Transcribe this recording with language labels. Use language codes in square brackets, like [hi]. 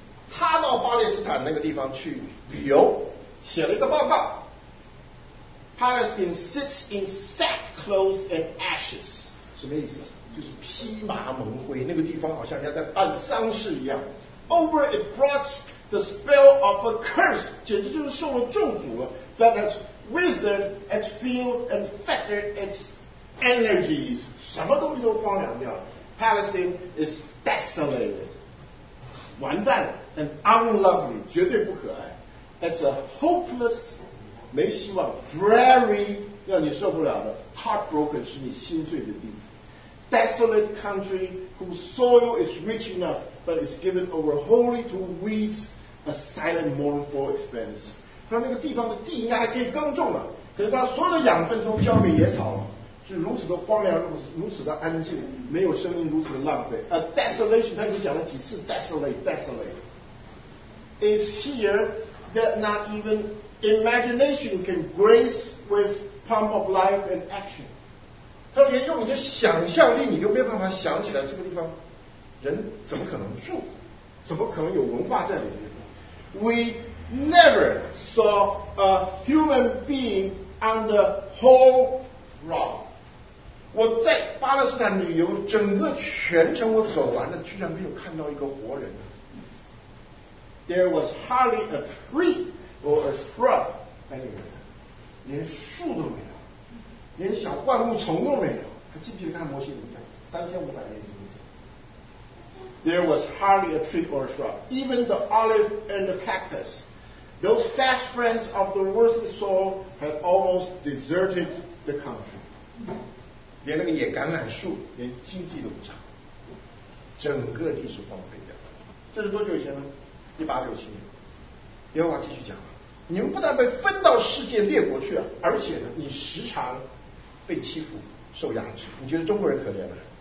[zh] 他到巴勒斯坦那个地方去旅游，写了一个报告。 [en] Palestine sits in sackcloth and ashes，什么意思？ [zh] 就是披麻蒙灰，那个地方好像人家在办丧事一样。 [en] Over it brought the spell of a curse，简直就是受了咒诅了。 That has withered its field and fettered its energies，什么东西都荒凉掉了。 Palestine is desolated，完蛋了。 And unlovely，绝对不可爱。 It's a hopeless，没希望。 [zh] Dreary， 让你受不了的。Heartbroken， 使你心碎的地。 [en] Desolate country whose soil is rich enough but is given over wholly to weeds, a silent mournful expanse. [zh] 他那个地方的地应该还可以耕种了，可是他所有的养分都飘给野草了，是如此的荒凉，如此的安静，没有声音，如此的浪费。 A desolation，他已经讲了几次 desolate， desolate. [en] Is here that not even imagination can grace with pump of life and action? [zh] 他连用你的想象力你都没有办法想起来这个地方人怎么可能住，怎么可能有文化在里面。 [en] We never saw a human being on the whole rock。 [zh] 我在巴勒斯坦旅游整个全程我走完了，居然没有看到一个活人。 [en] There was hardly a tree or a shrub anywhere，连树都没有，连小灌木丛都没有。 [zh] 他记不记得看摩西怎么讲？ 3500年前。 [en] There was hardly a tree or a shrub. Even the olive and the cactus, those fast friends of the worthless soil, had almost deserted the country. [zh] 连那个野橄榄树，连经济都不长，整个地是荒废的。这是多久以前呢？1867年。耶和华继续讲，你们不但被分到世界列国去了，而且呢，你时常被欺负受压制。你觉得中国人可怜吗？